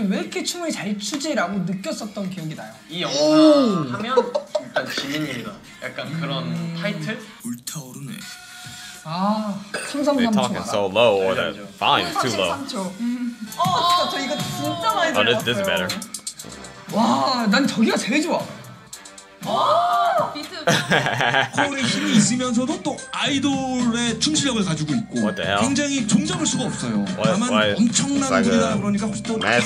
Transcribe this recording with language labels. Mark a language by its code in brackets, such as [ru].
[ko] 왜 이렇게 춤을 잘 추지?라고 느꼈었던 기억이 나요. 이 영화 하면 일단 지민님이다. 약간 그런 타이틀? 불타오르네. 아, 삼삼삼초. [en] They're talking so low or the volume is too low. [ko] 어, 저 이거 진짜 많이 들었어요. [en] This is better. [ko] 와, 난 저기가 제일 좋아. 코어에 힘이 있으면서도 또 아이돌의 춤실력을 가지고 있고 굉장히 종잡을 수가 없어요. 다만 엄청난 분이다 그러니까 혹시 또